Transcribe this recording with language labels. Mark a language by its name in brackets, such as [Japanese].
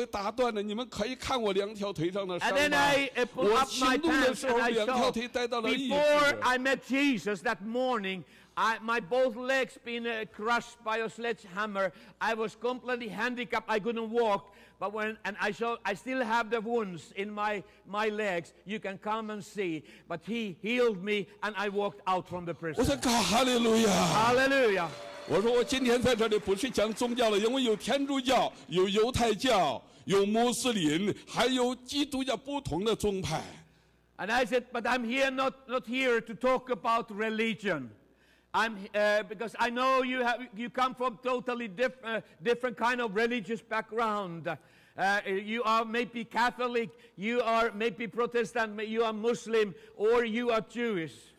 [Chinese] 我那一天还让他们，我说我在监牢里两条腿打断了，你们可以看我两条腿上的伤吗？ [English] And then I pulled up my pants and I saw. Before I met Jesus that morning. My both legs been crushed by a sledgehammer. I was completely handicapped. I couldn't walk. But I still have the wounds in my legs. You can come and see. But he healed me, and I walked out from the prison. [Chinese] 我说，Hallelujah！Hallelujah！我说，我今天在这里不是讲宗教了，因为有天主教、有犹太教、有穆斯林，还有基督教不同的宗派。 [English] And I said, but I'm here not here to talk about religion. Because I know you come from totally different kind of religious background. You are maybe Catholic, you are maybe Protestant, you are Muslim, or you are Jewish.